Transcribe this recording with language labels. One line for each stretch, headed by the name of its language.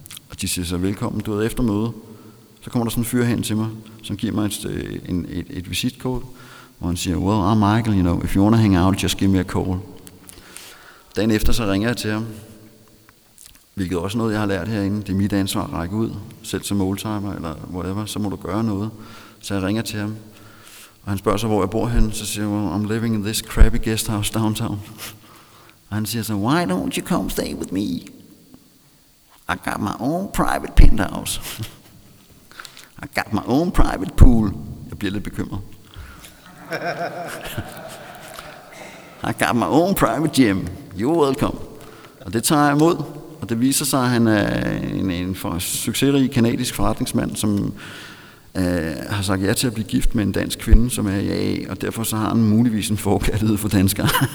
Danish: Og de siger så, velkommen, du er efter møde. Så kommer der sådan en fyr hen til mig, som giver mig et visitkort, hvor han siger,
English: well, I'm Michael, you know, if you want to hang out, just give me a call.
Danish: Dagen efter så ringer jeg til ham, hvilket også noget, jeg har lært herinde. Det er mit ansvar at række ud, selv som oldtimer eller whatever, så må du gøre noget. Så jeg ringer til ham, og han spørger så, hvor jeg bor henne. Så siger jeg,
English: well, I'm living in this crappy guest house downtown.
Danish: Og han siger så,
English: why don't you come stay with me? I got my own private penthouse. I got my own private pool.
Danish: Jeg bliver lidt bekymret.
English: I got my own private gym. You're welcome.
Danish: Og det tager jeg imod. Og det viser sig, at han er en succesrig kanadisk forretningsmand, som har sagt ja til at blive gift med en dansk kvinde, som er i AA, og derfor så har han muligvis en forkærlighed for danskere.